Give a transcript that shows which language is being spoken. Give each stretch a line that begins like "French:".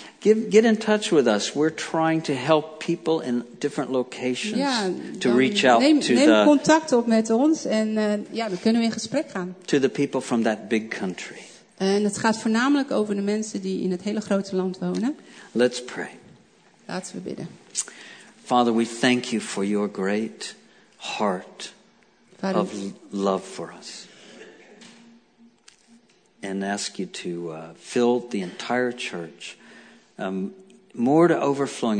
English: Get in touch with us. We're trying to help people in different locations to reach out to the.
Dutch: Neem contact op met ons en dan kunnen we in gesprek gaan.
English: To the people from that big country.
Dutch: En het gaat voornamelijk over de mensen die in het hele grote land wonen.
English: Let's pray.
Dutch: Laten we bidden.
English: Father, we thank you for your great heart of love for us. And ask you to fill the entire church more to overflowing.